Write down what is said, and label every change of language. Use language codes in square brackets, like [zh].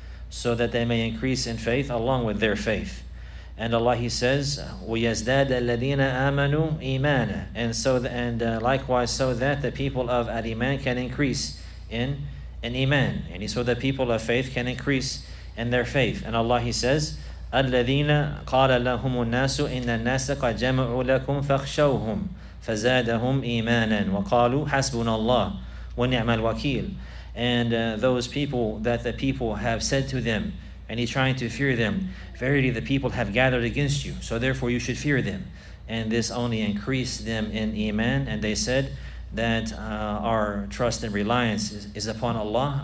[en] So that they may increase in faith along with their faith. And Allah, He says, [ar] وَيَزْدَادَ الَّذِينَ آمَنُوا إِيمَانًا. [en] And likewise, so that the people of al-Iman can increase in Iman, and so the people of faith can increase and their faith. And Allah, He says, [ar] الَّذِينَ قَالَ لَهُمُ النَّاسُ إِنَّ النَّاسَ قَدْ جَمَعُوا لَكُمْ فَخْشَوْهُمْ فَزَادَهُمْ إِيمَانًا وَقَالُوا حَسْبُنَا اللَّهُ وَنِعْمَ الْوَكِيلُ. [en] And those people that the people have said to them, and He's trying to fear them, verily the people have gathered against you, so therefore you should fear them. And this only increased them in iman, and they said that our trust and reliance is upon Allah.